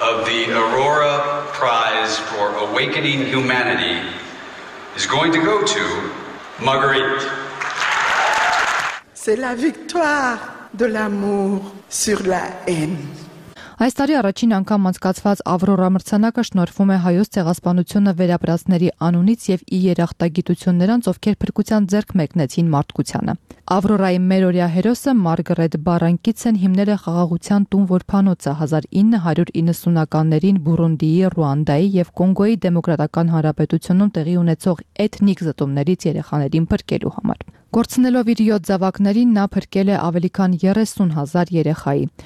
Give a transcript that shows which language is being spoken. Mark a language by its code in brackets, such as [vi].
[en] The Aurora Prize for Awakening Humanity is going to go to Marguerite. [fr] C'est la victoire de l'amour sur la haine. [hy] Այս տարի առաջին անգամ անցկացված Ավրորա մրցանակը շնորհվում է հայոց ցեղասպանությունը վերապրածների անունից և ի երախտագիտություն նրանց, ովքեր փրկության ձեռք մեկնեցին մարդկությանը։ Ավրորայի մերօրյա հերոսը Մարգարետ Բարանկիցեն հիմնել է խաղաղության տուն որբանոցը 1990-ականներին Բուրունդիի, Ռուանդայի և Կոնգոյի դեմոկրատական հանրապետությունում տեղի ունեցող էթնիկ զտումներից երեխաներին փրկելու համար։ Գործնելով իր 7 ձավակներին նա փրկել է ավելի քան 30,000 երեխայի։